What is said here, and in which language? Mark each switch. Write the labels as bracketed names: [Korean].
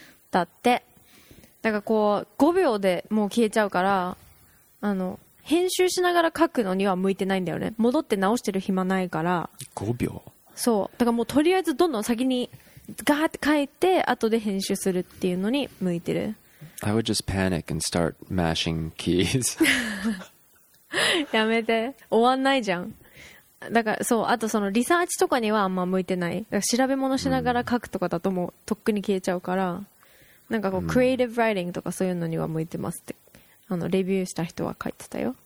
[Japanese] だってだからこう5秒でもう消えちゃうから、あの編集しながら書くのには向いてないんだよね。戻って直してる暇ないから。 5秒、そうだから、もうとりあえずどんどん先にガーって書いて後で編集するっていうのに向いてる。 [English] I would just panic and start mashing keys. [Japanese] やめて、終わんないじゃん。だからそう、あとそのリサーチとかにはあんま向いてない。だから調べ物しながら書くとかだともうとっくに消えちゃうから、なんかこうクリエイティブライティングとかそういうのには向いてますって、あのレビューした人は書いてたよ。